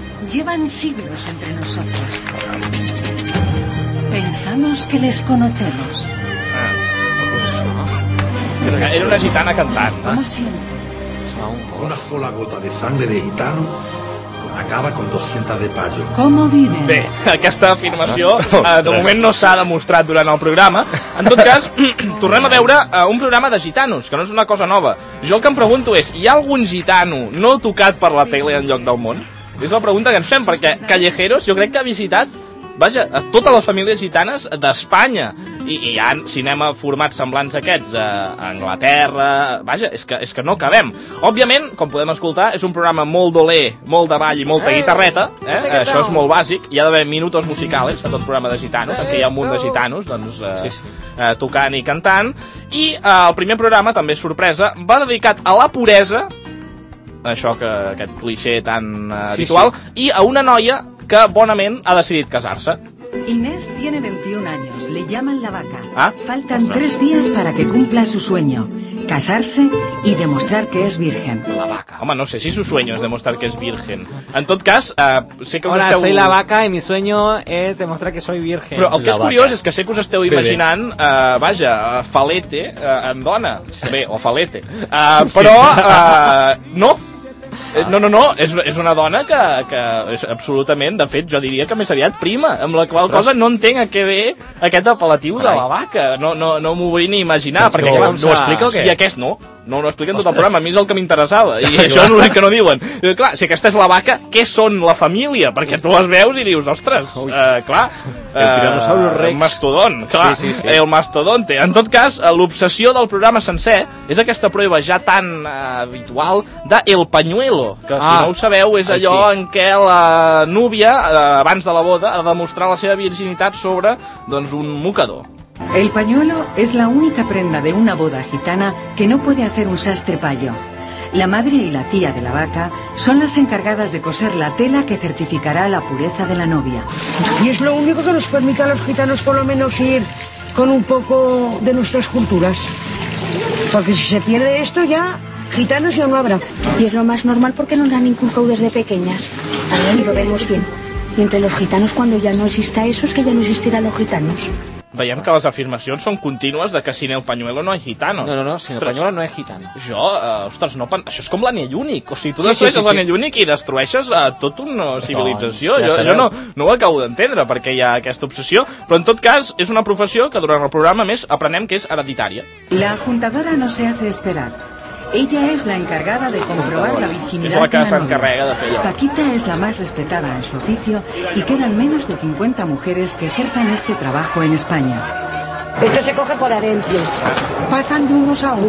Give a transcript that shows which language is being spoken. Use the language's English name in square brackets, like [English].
[Spanish] Llevan siglos entre nosotros. Pensamos que les conocemos. [Catalan] Era una gitana cantant. [Spanish] ¿Cómo siente? Una sola gota de sangre de gitano acaba con 200 de payo. ¿Cómo viven? [Catalan] Bé, aquesta afirmació de moment no s'ha demostrat durant el programa. En tot cas, tornem a veure un programa de gitanos, que no és una cosa nova. Jo el que em pregunto és, hi ha algun gitano no tocat per la tele en lloc del món? És la pregunta que ens fem, perquè Callejeros jo crec que ha visitat, vaja, a totes les famílies gitanes d'Espanya. I hi ha cinema format semblants a aquests, a Anglaterra... Vaja, és que no acabem. Òbviament, com podem escoltar, és un programa molt d'oler, molt de ball i molta guitarreta. Això és molt bàsic. Hi ha d'haver [Spanish] minutos musicales [Catalan] a tot programa de gitanos. Aquí hi ha un munt de gitanos, doncs, tocant i cantant. I el primer programa, també sorpresa, va dedicat a la puresa, això que aquest cliché tan habitual, sí. I a una noia que bonament ha decidit casar-se. [Spanish] Inés tiene 21 años, le llaman la vaca. Ah? Faltan 3 días para que cumpla su sueño, casarse y demostrar que es virgen. La vaca. Home, no sé si su sueño es demostrar que es virgen. [Catalan] En tot cas, sé que... [Spanish] Hola, soy la vaca y mi sueño es demostrar que soy virgen. [Catalan] Però el que la és curiós vaca. És que sé que us esteu imaginant, vaja, falete en dona. Bé, o falete. Però, no... No, és una dona que és absolutament, de fet, jo diria que més aviat prima, amb la qual cosa no entenc a què ve aquest apel·latiu de la vaca. No m'ho vull ni imaginar, perquè no ho explica o què? Si aquest no, No, no expliquen tot el programa, a mi és el que m'interessava. I això és l'únic que no diuen. I, clar, si aquesta és la vaca, què són la família? Perquè tu les veus i dius, ostres, clar... El mastodon, clar, sí, sí, sí. El mastodonte. En tot cas, l'obsessió del programa sencer és aquesta prova ja tan habitual de El Pañuelo, que si no ho sabeu és allò en què la núvia, abans de la boda, ha de mostrar la seva virginitat sobre, doncs, un mocador. [Spanish] El pañuelo es la única prenda de una boda gitana que no puede hacer un sastre payo. La madre y la tía de la vaca son las encargadas de coser la tela que certificará la pureza de la novia. Y es lo único que nos permite a los gitanos por lo menos ir con un poco de nuestras culturas. Porque si se pierde esto ya, gitanos ya no habrá. Y es lo más normal porque nos han inculcado desde pequeñas. También lo vemos bien. Y entre los gitanos cuando ya no exista eso es que ya no existirán los gitanos. [Catalan] Veiem que les afirmacions són contínues de que [Spanish] sin el pañuelo no hay gitanos. No, no, no, sin el pañuelo no hay gitano. [Catalan] Jo, ostres, no, això és com l'anell únic. O sigui, tu destrueixes l'anell únic i destrueixes tot una civilització. Doncs, jo no ho acabo d'entendre perquè hi ha aquesta obsessió. Però en tot cas, és una professió que durant el programa més aprenem que és hereditària. [Spanish] La juntadora no se hace esperar. Ella es la encargada de comprobar la virginidad. [Catalan] És la que s'encarrega de fer-ho. [Spanish] Paquita es la más respetada en su oficio y quedan menos de 50 mujeres que ejercen este trabajo en España. Esto se coge por herencias. Pasan de unos a otros.